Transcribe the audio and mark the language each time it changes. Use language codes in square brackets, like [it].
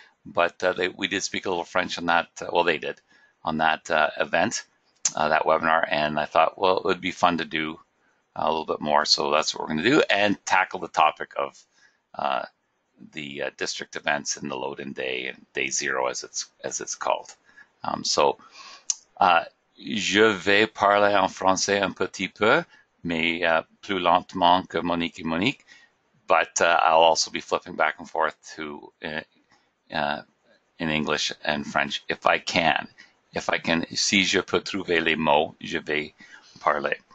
[en] But we did speak a little French on that, well, they did, on that event, that webinar. And I thought, well, it would be fun to do a little bit more. So that's what we're going to do, and tackle the topic of the district events and the load-in day and day zero, as it's called. [fr] Je vais parler en français un petit peu, mais plus lentement que Monique et Monique. [en] But I'll also be flipping back and forth to in English and French if I can. If I can, [fr] si je peux trouver les mots, je vais parler.